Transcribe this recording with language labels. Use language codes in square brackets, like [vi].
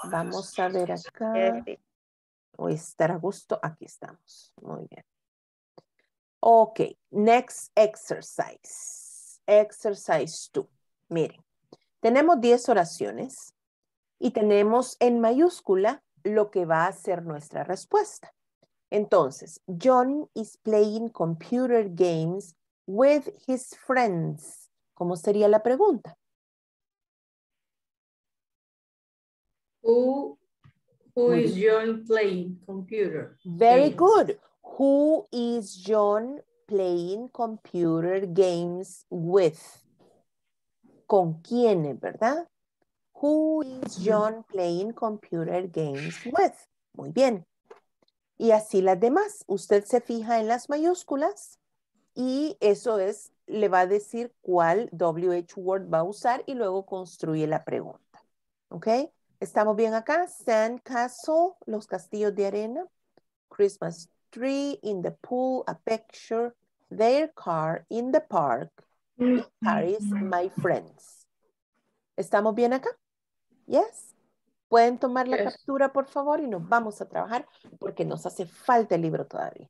[es] vamos a ver acá. O estar a gusto, aquí estamos. Muy bien. [en] Okay, next exercise. Exercise two. [es] Miren, tenemos 10 oraciones y tenemos en mayúscula lo que va a ser nuestra respuesta. Entonces, [en] John is playing computer games with his friends. [es] ¿Cómo sería la pregunta? [en] Who is John playing computer? Very good. Who is John playing computer games with? [es] ¿Con quién, verdad? [en] Who is John playing computer games with? [es] Muy bien. Y así las demás. Usted se fija en las mayúsculas y eso es, le va a decir cuál WH word va a usar y luego construye la pregunta. ¿Ok? ¿Estamos bien acá? [en] Sand castle, [es] los castillos de arena. [en] Christmas tree in the pool, a picture, their car in the park, carries my friends. [es] ¿Estamos bien acá? [en] Yes. [es] Pueden tomar la captura, por favor, y nos vamos a trabajar porque nos hace falta el libro todavía.